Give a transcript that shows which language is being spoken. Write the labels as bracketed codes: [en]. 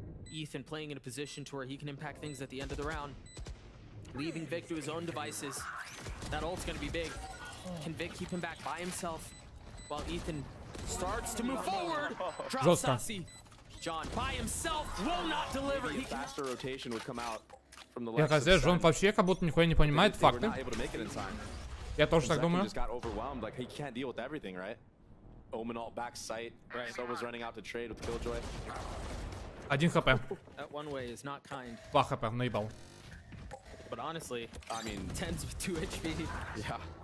[en] Ethan playing in a position to where he can impact things at the end of the round. Leaving Vic to his own devices. That ult's gonna be big. Can Vic keep him back by himself while Ethan starts to move forward? Drop Sassy. John by himself will not deliver. A faster rotation would come out from the left. [ru] Я казалось, Джон вообще как будто нихуя не понимает факты. Я тоже так думаю. [en] Just got overwhelmed, like he can't deal with everything, right? Omen ult back site. Right. So was running out to trade with Killjoy. [ru] 1 хп. [en] That one way is not kind. [ru] 2 хп, наебал. [en] But honestly, I mean, tens with 2 HP. Yeah.